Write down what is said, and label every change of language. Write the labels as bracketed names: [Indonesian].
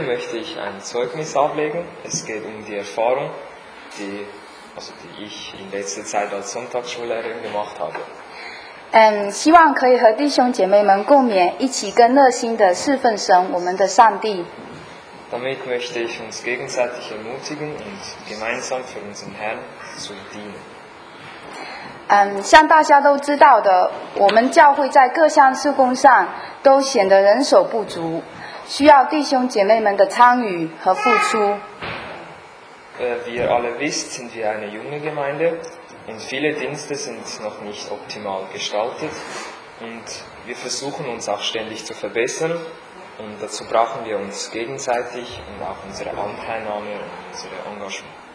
[German] möchte ich ein Zeugnis ablegen. Es geht um die Erfahrung, die ich in letzter Zeit als Sonntagsschullehrerin gemacht habe. [Chinese] 希望可以和弟兄姐妹们共勉，一起跟热心的侍奉神，我们的上帝。 [German] Damit möchte ich uns gegenseitig ermutigen und gemeinsam für unseren Herrn zu dienen. [Chinese] 像大家都知道的，我们教会在各项事工上都显得人手不足。需要弟兄姐妹们的参与和付出。 [German] Wir alle wissen, sind wir eine junge Gemeinde und viele Dienste sind noch nicht optimal gestaltet und wir versuchen uns auch ständig zu verbessern und dazu brauchen wir uns gegenseitig und auch unsere Anteilnahme und unsere Engagement.